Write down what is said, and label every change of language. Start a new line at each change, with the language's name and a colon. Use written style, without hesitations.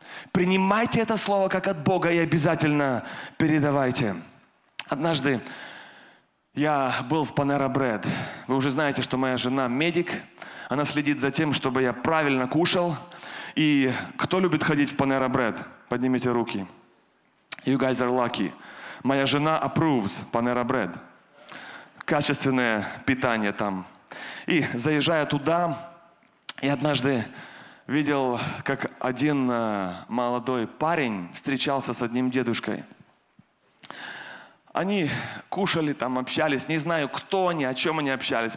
Russian: Принимайте это слово как от Бога и обязательно передавайте. Однажды я был в Panera Bread. Вы уже знаете, что моя жена медик. Она следит за тем, чтобы я правильно кушал. И кто любит ходить в Panera Bread? Поднимите руки.
English: You guys are lucky.
Russian: Моя жена
English: approves
Russian: Panera Bread. Качественное питание там. И заезжая туда, я однажды видел, как один молодой парень встречался с одним дедушкой. Они кушали там, общались. Не знаю, кто они, о чем они общались.